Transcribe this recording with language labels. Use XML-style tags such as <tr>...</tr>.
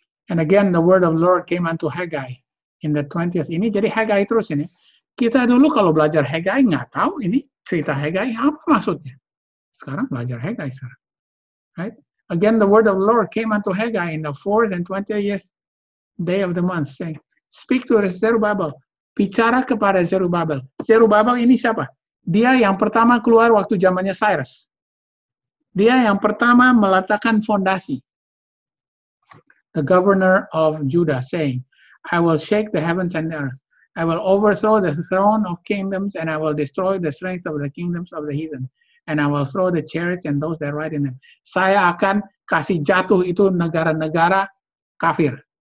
<en>And again, the word of the Lord came unto Haggai in the 20th.</en> <id>Ini jadi Haggai terus ini. Kita dulu kalau belajar Haggai, nggak tahu ini cerita Haggai, apa maksudnya? Sekarang belajar Haggai sekarang.</id> <en>Right? Again, the word of the Lord came unto Haggai in the 4th and 20th day of the month, saying, speak to Zerubbabel.</en> <id>Bicara kepada Zerubbabel. Zerubbabel ini siapa? Dia yang pertama keluar waktu zamannya Cyrus. Dia yang pertama meletakkan fondasi.</id> <en>The governor of Judah saying, I will shake the heavens and the earth. I will overthrow the throne of kingdoms and I will destroy the strength of the kingdoms of the heathen. And I will throw the chariots and those that ride in them.</en> <id>Saya akan kasih jatuh itu negara-negara kafir.</id>